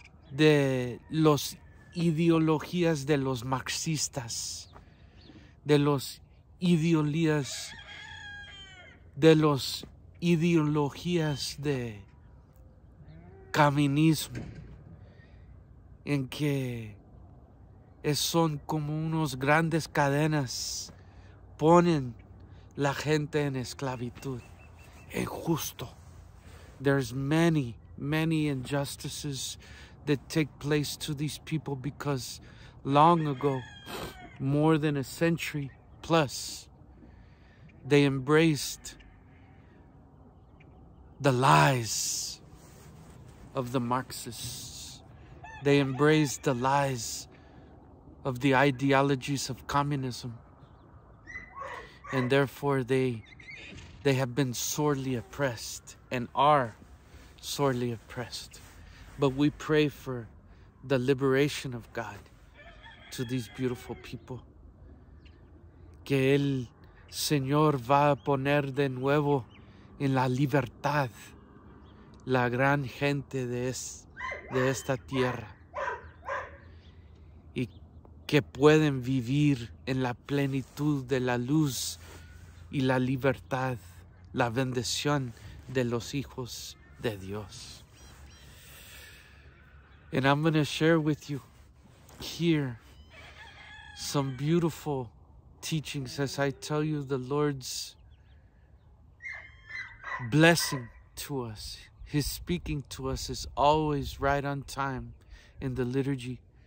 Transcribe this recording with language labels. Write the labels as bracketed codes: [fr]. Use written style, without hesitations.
[es] de las ideologías de los marxistas, de las ideologías de caminismo, en que son como unos grandes cadenas, ponen la gente en esclavitud, es justo. [en] There's many, many injustices that take place to these people because long ago, more than a century plus, they embraced the lies of the Marxists. They embraced the lies of the ideologies of communism. And therefore they have been sorely oppressed and are sorely oppressed. But we pray for the liberation of God to these beautiful people. [es] Que el Señor va a poner de nuevo en la libertad la gran gente de esta tierra. Y que pueden vivir en la plenitud de la luz y la libertad, la bendición de los hijos de Dios. [en] And I'm going to share with you here some beautiful teachings as I tell you the Lord's blessing to us. His speaking to us is always right on time in the liturgy.